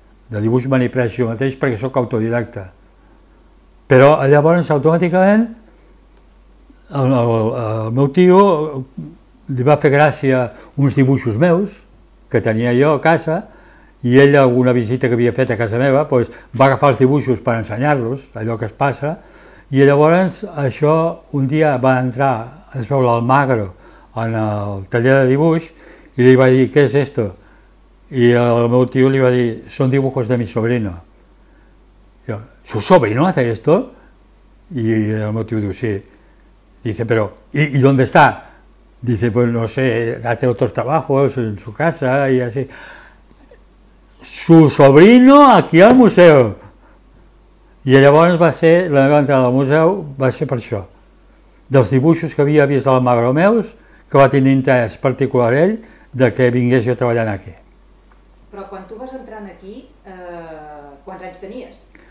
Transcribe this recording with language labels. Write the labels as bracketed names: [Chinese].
[Catalan] De dibuix me n'he pres jo mateix perquè sóc autodidacta. Però llavors automàticament el meu tio li va fer gràcia uns dibuixos meus que tenia jo a casa, i ell, alguna visita que havia fet a casa meva, doncs, va agafar els dibuixos per ensenyar-los, allò que es passa, i llavors això un dia va entrar, es veu l'Almagro en el taller de dibuix, i li va dir, què és esto? I el meu tio li va dir, són [Spanish] dibujos de mi sobrino. [Catalan] I jo, [Spanish] ¿su sobrino hace esto? [Catalan] I el meu tio diu, sí. [Spanish] Dice, pero, ¿y dónde está? Dice, pues no sé, hace otros trabajos en su casa y así. ¡Su sobrino aquí al museo! [Catalan] I llavors va ser, la meva entrada al museu va ser per això. Dels dibuixos que havia vist al Magro meus, que va tenir interès particular ell, de que vingués jo treballant aquí. Però quan tu vas entrant aquí, quants anys tenies?